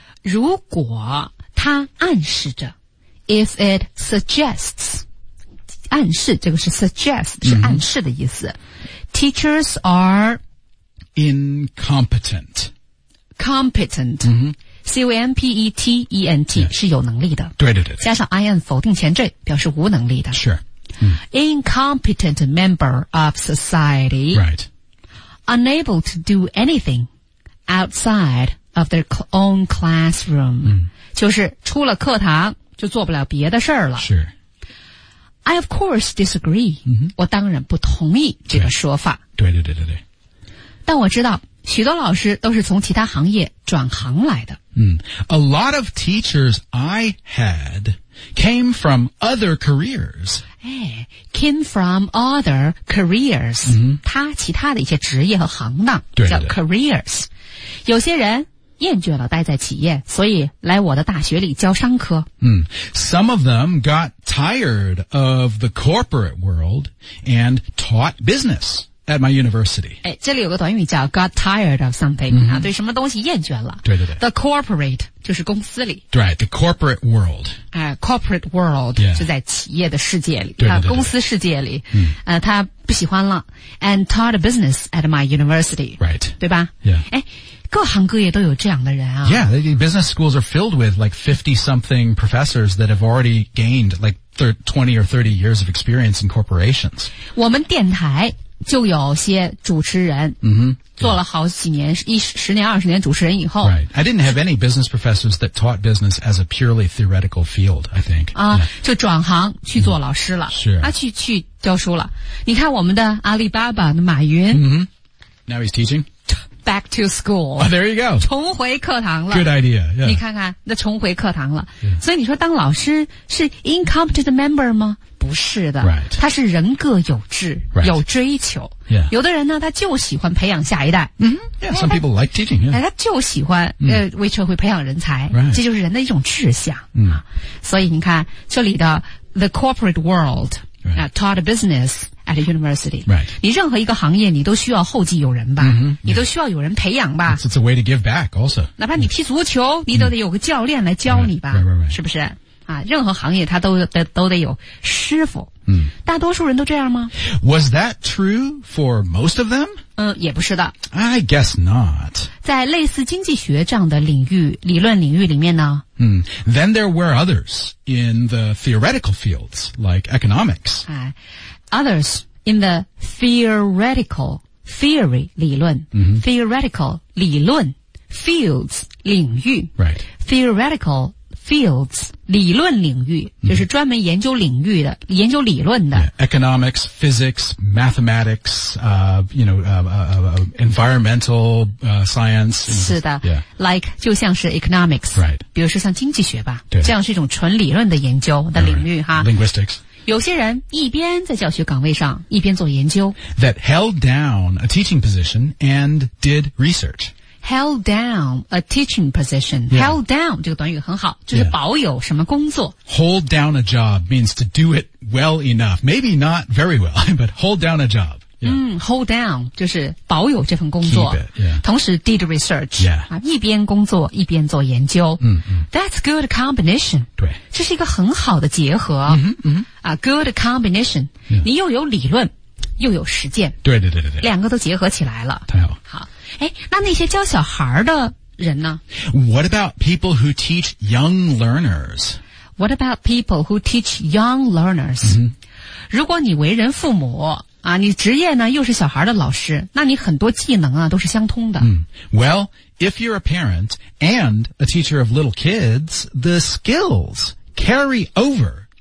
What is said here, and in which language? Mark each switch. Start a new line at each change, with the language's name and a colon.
Chinese: 如果他暗示着 ,
English: if it suggests,
Chinese: 暗示这个是 suggest 是暗示的意思、
English: mm-hmm. Teachers are incompetent. Competent. Mm-hmm. C-O-M-P-E-T-E-N-T, yes.
Chinese: 是有能力的。对对对。加上 IN 否定前缀表示无能力的。
English: Sure.、 Mm. Incompetent member of society. Right. Unable to do anything outside of their own classroom.、 Mm.
Chinese: 就是出了课堂就做不了别的事了。
English: Sure. I of course disagree.、 Mm-hmm.
Chinese: 我当然不同意这个说法。对对对对对。但我知道许多老师都是从其他行业转行来的。
English: A lot of teachers I had came from other careers. Came from other careers.、 Mm-hmm.
Chinese: 他其他的一些职业和行当对对对叫 careers. 有些人厌倦了待在企业所以来我的大学里教商科。
English: Some of them got tired of the corporate world and taught business. At my university.
Chinese: 哎，这里有个短语叫
English: got tired of something,、 mm-hmm.
Chinese: 啊、对什么东西厌倦了。对对对。
English: The corporate,
Chinese: 就是公司里。
English: Right, the corporate world.、 corporate world,、 yeah.
Chinese: 就在企业的世界里。对对对对、啊、公司世界里、嗯他不喜欢了。
English: And taught a business at my university. Right.
Chinese: 对吧
English: Yeah.
Chinese: 哎，各行各业都有这样的人啊。
English: Yeah, the business schools are filled with like 50-something professors that have already gained like 20 or 30 years of experience in corporations.
Chinese: 我们电台就有些主持人、
English: mm-hmm. yeah.
Chinese: 做了好几年十年二十年主持人以后、
English: right. I didn't have any business professors that taught business as a purely theoretical field I think、
Chinese: yeah. 就转行去做老师了、 mm-hmm. 啊、去教书了你看我们的阿里巴巴的马云、
English: mm-hmm. Now he's teaching Back to school、 oh, There you go
Chinese: 重回课堂了
English: Good idea、yeah.
Chinese: 你看看那重回课堂了、
English: yeah.
Chinese: 所以你说当老师是
English: incompetent member
Chinese: 吗不是的、
English: right.
Chinese: 他是人各有志、
English: right.
Chinese: 有追求、
English: yeah.
Chinese: 有的人呢他就喜欢培养下一代、
English: mm-hmm. yeah, some people like teaching、yeah.
Chinese: 他就喜欢、mm. 为社会培养人才、
English: right.
Chinese: 这就是人的一种志向、 mm. 所以你看这里的
English: the corporate world、 right. Taught a business at a university、 right.
Chinese: 你任何一个行业你都需要后继有人吧、 mm-hmm. 你都需要有人培养吧、
English: yeah. It's a way to give back also
Chinese: 哪怕你踢足球、mm. 你都得有个教练来教你吧、
English: right. Right, right, right.
Chinese: 是不是啊，任何行业他都得有师傅。嗯，大多数人都这样吗
English: ？Was that true for most of them？
Chinese: 嗯，也不是的。
English: I guess not。
Chinese: 在类似经济学这样的领域理论领域里面呢？
English: 嗯 ，Then there were others in the theoretical fields like economics. Others in the theoretical theory
Chinese: 理论、 mm-hmm.
English: ，theoretical
Chinese: 理论
English: fields
Chinese: 领域
English: ，right theoretical。 Fields,
Chinese: 理论领域、
English: mm-hmm.
Chinese: 就是专门研究领域的研究理论的、
English: yeah. Economics, physics, mathematics, you know, environmental, science.
Chinese: 是的、
English: yeah.
Chinese: Like, 就像是 economics.
English: Right.
Chinese: 比如说像经济学吧。对。这样是一种纯理论的研究的领域、
English: right. 哈。 Linguistics.
Chinese: 有些人一边在教学岗位上一边做研究。
English: That held down a teaching position and did research. Held down a teaching position.、 Yeah. Held down
Chinese: 这个短语很好，就是保有什么工作。
English: Yeah. Hold down a job means to do it well enough. Maybe not very well, but hold down a job.、Yeah.
Chinese: 嗯 ，
English: hold down
Chinese: 就是保有这份工作。
English: Keep it, yeah.
Chinese: 同时 ，
English: did research. Yeah.
Chinese: 啊，一边工作一边做研究。嗯、mm-hmm.
English: That's good combination.
Chinese: 对，这是一个很好的结合。嗯、mm-hmm.
English: 啊 ，good combination.、 Yeah.
Chinese: 你又有理论，又有实践。对对对对对。两个都结合起来了。太好。好。哎，那那些教小孩的人呢
English: ？What about people who teach young learners? What about people who teach young learners?、 Mm-hmm.
Chinese: 如果你为人父母啊，你职业呢又是小孩的老师，那你很多技能啊都是相通的。 Mm.
English: Well, if you're a parent and a teacher of little kids, the skills carry over.